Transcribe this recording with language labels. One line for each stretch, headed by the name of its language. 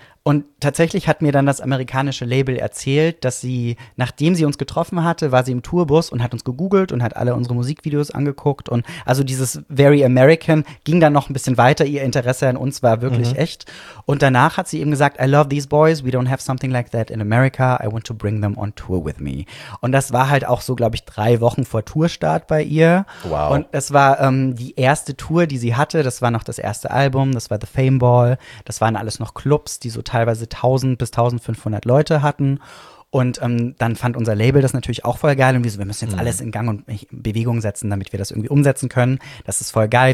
German: Und tatsächlich hat mir dann das amerikanische Label erzählt, dass sie, nachdem sie uns getroffen hatte, war sie im Tourbus und hat uns gegoogelt und hat alle unsere Musikvideos angeguckt. Und also dieses Very American ging dann noch ein bisschen weiter. Ihr Interesse an uns war wirklich echt. Und danach hat sie eben gesagt,
English: I love these boys. We don't have something like that in America. I want to bring them on tour with me.
German: Und das war halt auch so, glaube ich, drei Wochen vor Tourstart bei ihr. Wow. Und das war die erste Tour, die sie hatte. Das war noch das erste Album. Das war The Fame Ball. Das waren alles noch Clubs, die so teilweise 1.000 bis 1.500 Leute hatten. Und dann fand unser Label das natürlich auch voll geil. Und wir so, wir müssen jetzt alles in Gang und in Bewegung setzen, damit wir das irgendwie umsetzen können. Das ist voll geil.